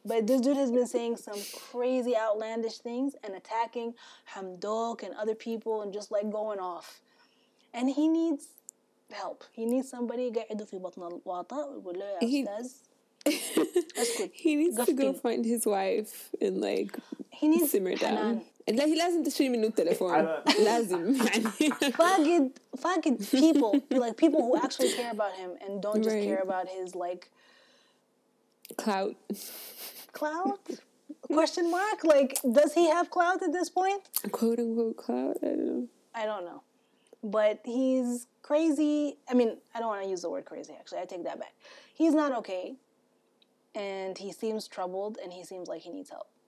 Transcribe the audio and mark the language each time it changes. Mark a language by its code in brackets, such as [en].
[en] But this dude has been saying some crazy outlandish things and attacking Hamdok and other people and just, like, going off. And he needs help. He needs somebody. He needs to go find his wife and, like, he needs simmer down. [ar] لا هي لازم تشتري منه التليفون لازم فاقد فاقد [en] people like people who actually care about him and don't just care about his like clout question mark like does he have clout at this point quote unquote clout I don't know but he's crazy I mean I don't want to use the word crazy actually I take that back he's not okay and he seems troubled and he seems like he needs help.